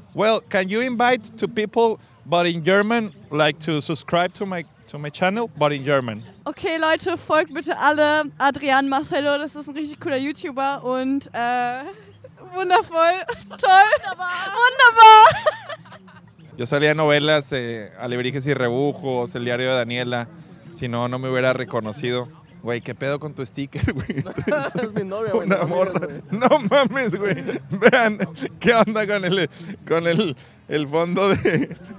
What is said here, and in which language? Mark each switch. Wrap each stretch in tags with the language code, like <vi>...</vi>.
<en>Well, can you invite to people, but in German, like to subscribe to my channel, but in German?</en> <de>Okay, Leute, folgt bitte alle Adrian Marcello, das ist ein richtig cooler YouTuber und wundervoll, toll, wunderbar.</de> <es>Yo salía novelas, Alebrijes y Rebujos, El Diario de Daniela, si no, no me hubiera reconocido. Güey, ¿qué pedo con tu sticker, güey? Es mi novia, güey. Una morra. No mames, güey. Vean, ¿qué onda con el fondo de...?</es>